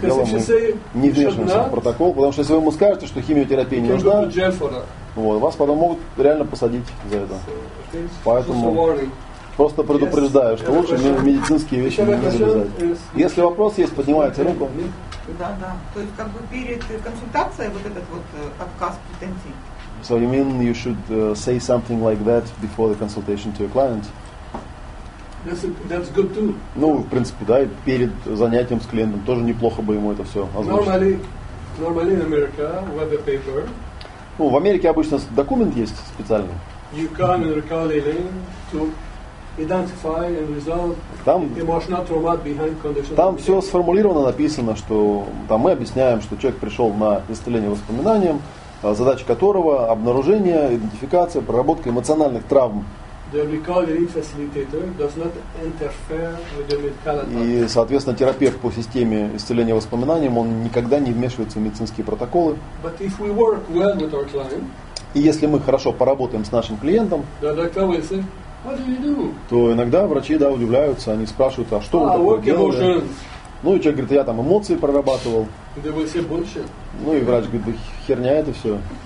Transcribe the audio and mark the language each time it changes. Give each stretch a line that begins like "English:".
Russian: дело, мы не вмешиваемся в протокол, потому что если вы ему скажете, что химиотерапия не нужна, вот, вас потом могут реально посадить за это.
English: So,
Russian: поэтому просто предупреждаю, что лучше медицинские вещи не залезать. Если вопрос есть, поднимайте руку. Да, да. То есть, как бы перед консультацией вот этот вот отказ претензий.
English: So you mean you should say something like that before the consultation to your client? That's good too.
Russian: Ну, в принципе, да, перед занятием с клиентом тоже неплохо бы ему это все озвучить.
English: Normally in America, we have a paper.
Russian: Ну, в Америке обычно документ есть специальный.
English: You come and recall healing to identify and resolve
Russian: там,
English: emotional trauma behind conditional.
Russian: Там все сформулировано, написано, что там мы объясняем, что человек пришел на исцеление воспоминаниям, задача которого обнаружение, идентификация, проработка эмоциональных травм.
English: The recall healing facilitator does not interfere with the medical.
Russian: И, соответственно, терапевт по системе исцеления воспоминаниям, он никогда не вмешивается в медицинские протоколы.
English: But if we work well with our client.
Russian: И если мы хорошо поработаем с нашим клиентом, то иногда врачи, да, удивляются, они спрашивают, а что вы такое делали? Ну и человек говорит, я там эмоции прорабатывал. Ну и врач говорит, да херня это все.